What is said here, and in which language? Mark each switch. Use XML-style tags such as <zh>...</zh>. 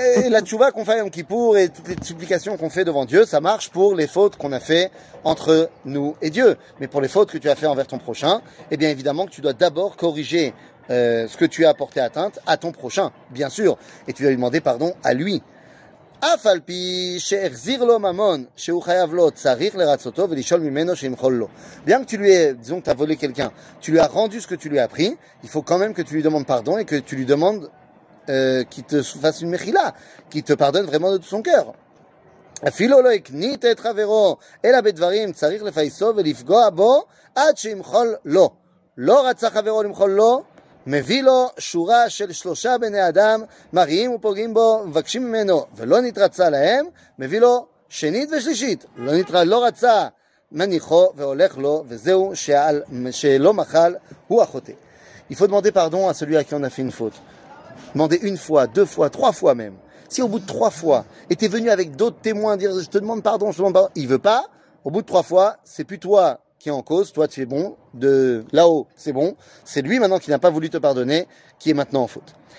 <fr>La tshuva qu'on fait à Yom Kippour et toutes les supplications qu'on fait devant Dieu, ça marche pour les fautes qu'on a fait entre nous et Dieu. Mais pour les fautes que tu as fait envers ton prochain, eh bien évidemment que tu dois d'abord corriger ce que tu as porté atteinte à ton prochain, bien sûr. Et tu dois lui demander pardon à lui.</fr> <he>אף על פי שהחזיר לו ממון שהוא חייב לו צריך לרצותו ולשאול ממנו שימחול לו.</he> <fr>Bien que tu lui aies, disons que tu as volé quelqu'un, tu lui as rendu ce que tu lui as pris, il faut quand même que tu lui demandes pardon et que tu lui demandes qu'il te fasse une mechila, qu'il te pardonne vraiment de tout son cœur.</fr> <he>אפילו לא הקנית את חברו אלא בדברים צריך לפייסו ולפגוע בו עד שימחול לו. לא רצה חברו למחול לו, מביא לו שורה של שלושה בני אדם, מריעים ופוגעים בו, מבקשים ממנו, ולא נתרצה להם, מביא לו שנית ושלישית, לא רצה, מניחו והולך לו, וזהו שעל, שלא מחל, הוא החוטא.</he> <fr>Il faut demander pardon à celui à qui on a fait une faute. Demander une fois, deux fois, trois fois même. Si au bout de trois fois, était venu avec d'autres témoins dire « je te demande pardon, je te demande pardon », il veut pas, au bout de trois fois, c'est plus toi qui est en cause, toi tu es bon, de là-haut c'est bon, c'est lui maintenant qui n'a pas voulu te pardonner, qui est maintenant en faute.</fr>